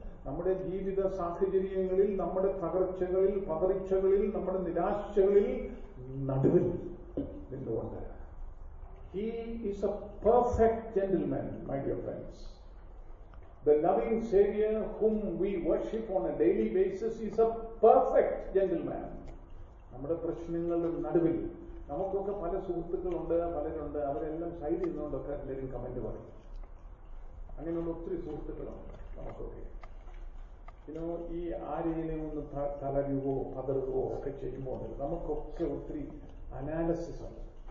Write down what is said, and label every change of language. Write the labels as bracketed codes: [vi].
[ml] നമ്മുടെ ജീവിത സാഹചര്യങ്ങളിൽ, നമ്മുടെ തകർച്ചകളിൽ, പതറിച്ചകളിൽ, നമ്മുടെ നിരാശകളിൽ നടുവിൽ നിന്നുകൊണ്ട് [en] He is a perfect gentleman, my dear friends. The loving Savior whom we worship on a daily basis is a perfect gentleman. [ml] നമ്മുടെ പ്രശ്നങ്ങളുടെ നടുവിൽ നമുക്കൊക്കെ പല സുഹൃത്തുക്കളുണ്ട്, പലരുണ്ട്. അവരെല്ലാം സൈഡ് ചെയ്യുന്നതുകൊണ്ടൊക്കെ എല്ലാവരും കമന്റ് പറയും. അങ്ങനെയുള്ള ഒത്തിരി സുഹൃത്തുക്കളുണ്ട് നമുക്കൊക്കെ. ഇനോ ഈ ആരെയും ഒന്ന് തളരുകയോ പതറുകയോ ഒക്കെ ചെയ്യുമ്പോൾ നമുക്കൊക്കെ ഒത്തിരി അനാലിസിസ് ഉണ്ട്.